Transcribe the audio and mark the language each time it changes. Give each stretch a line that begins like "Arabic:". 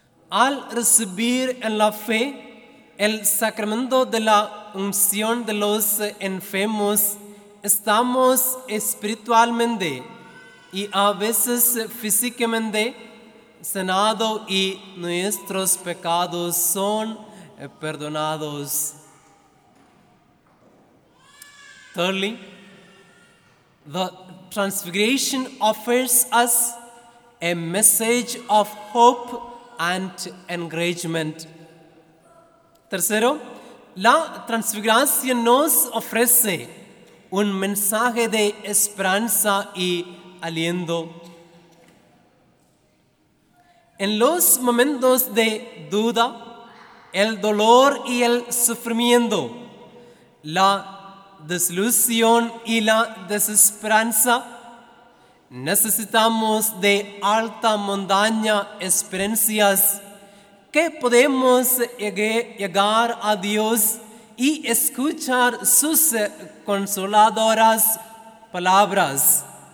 Spanish: Al recibir en la fe el sacramento de la unción de los enfermos, estamos espiritualmente y a veces físicamente sanados y nuestros pecados son perdonados.
English: Thirdly, the transfiguration offers us a message of hope and encouragement.
Spanish: Tercero, la transfiguración nos ofrece un mensaje de esperanza y aliento. En los momentos de duda, el dolor y el sufrimiento, la desilusión y la desesperanza, necesitamos de alta montaña experiencias que podemos llegar a Dios y escuchar sus consoladoras palabras.